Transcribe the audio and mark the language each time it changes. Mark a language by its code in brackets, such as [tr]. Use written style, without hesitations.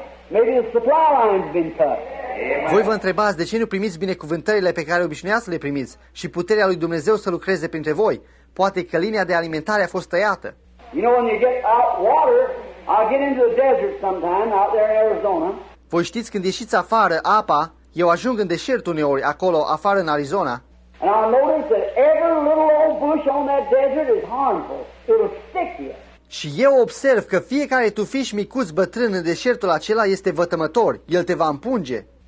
[en] Maybe the supply line's been cut. [ro] Voi vă întrebați de ce nu primiți binecuvântările pe care obișnuiați să le primiți și puterea lui Dumnezeu să lucreze printre voi. Poate că linia de alimentare a fost tăiată. [en] You know, when you get out water, I get into the desert sometime out there in Arizona. [ro] Voi știți, când ieșiți afară apa, eu ajung în deșert uneori acolo, afară în Arizona. [en] And I notice that every little old bush on that desert is harmful. It'll stick you. [ro] Și eu observ că fiecare tufiș micuț bătrân în deșertul acela este vătămător. El te va împunge.